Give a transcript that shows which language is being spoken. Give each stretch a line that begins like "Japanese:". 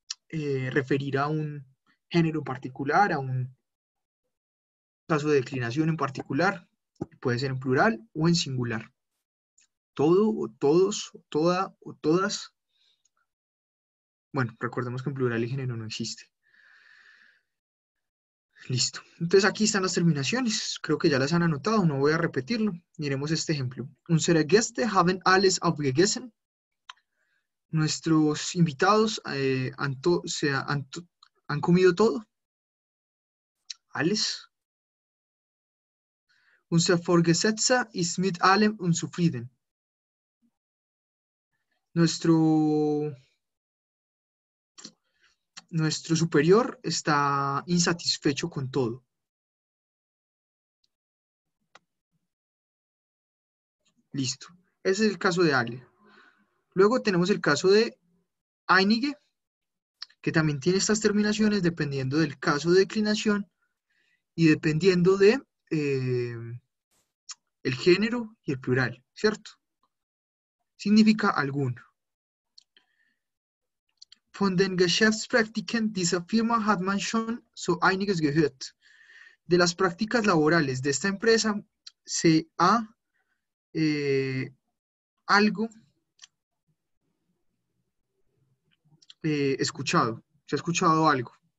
Spanish: Referir a un género en particular, a un caso de declinación en particular, puede ser en plural o en singular. Todo o todos o toda o todas. Bueno, recordemos que en plural el género no existe. Listo. Entonces aquí están las terminaciones. Creo que ya las han anotado, no voy a repetirlo. Miremos este ejemplo.
German: Unsere Gäste haben alles aufgegessen.
Spanish: Nuestros invitados han comido todo.
German: Alles. Unser Vorgesetzter ist mit allem unzufrieden.
Spanish: Nuestro superior está insatisfecho con todo. Listo. Ese es el caso de alle. Luego tenemos el caso de einige, que también tiene estas terminaciones dependiendo del caso de declinación y dependiendo de el género y el plural, ¿cierto? Significa alguno.
German: Von den Geschäftspraktiken dieser Firma hat man schon so einiges gehört.
Spanish: De las prácticas laborales de esta empresa se ha algo escuchado. Se ha escuchado algo.